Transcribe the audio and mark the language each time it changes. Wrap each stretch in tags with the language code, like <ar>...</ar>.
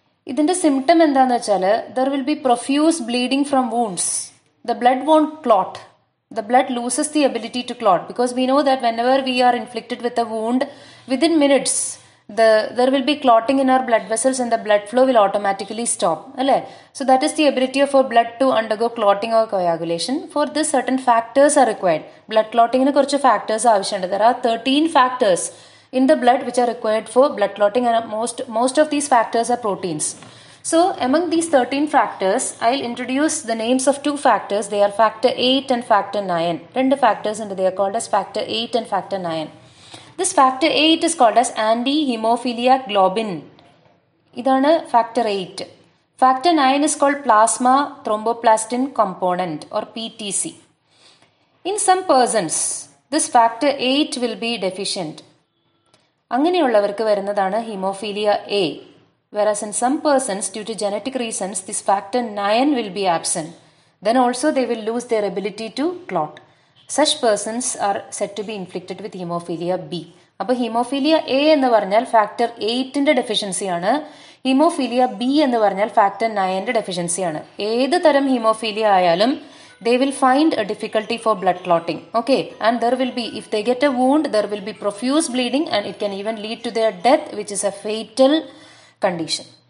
<ml>ഇതിൻ്റെ സിംപ്റ്റം എന്താണെന്ന് വെച്ചാൽ,</ml> <en>There will be profuse bleeding from wounds. The blood won't clot. The blood loses the ability to clot because we know that whenever we are inflicted with a wound within minutes there will be clotting in our blood vessels and the blood flow will automatically stop.</en> <ml>Alle?</ml> <en>So that is the ability of our blood to undergo clotting or coagulation. For this, certain factors are required.</en> <ml>Blood clotting ina korcha factors avashyam.</ml> <en>There are 13 factors in the blood which are required for blood clotting, and most of these factors are proteins. So among these 13 factors, I'll introduce the names of two factors. They are factor 8 and factor 9.</en> <ml>Rendu factors</ml> <en>and they are called as factor 8 and factor 9. This factor 8 is called as anti-hemophilia globin.</en> <ml>ഇതാണ്</ml> <en>factor 8. Factor 9 is called plasma thromboplastin component or PTC. In some persons, this factor 8 will be deficient.</en> <ml>അങ്ങനെയുള്ളവർക്ക് വരുന്നതാണ് haemophilia A.</ml> <en>Whereas in some persons, due to genetic reasons, this factor 9 will be absent. Then also they will lose their ability to clot. Such persons are said to be inflicted with hemophilia B.</en> <ml>അപ്പോൾ haemophilia A എന്ന് പറഞ്ഞാൽ factor എയ്റ്റിൻ്റെ ഡെഫിഷ്യൻസിയാണ്. Haemophilia B എന്ന് പറഞ്ഞാൽ factor നയൻ്റെ ഡെഫിഷ്യൻസിയാണ്. ഏത് തരം haemophilia ആയാലും</ml> <en>They will find a difficulty for blood clotting. Okay, and there will be if they get a wound there will be profuse bleeding and it can even lead to their death which is a fatal condition.</en>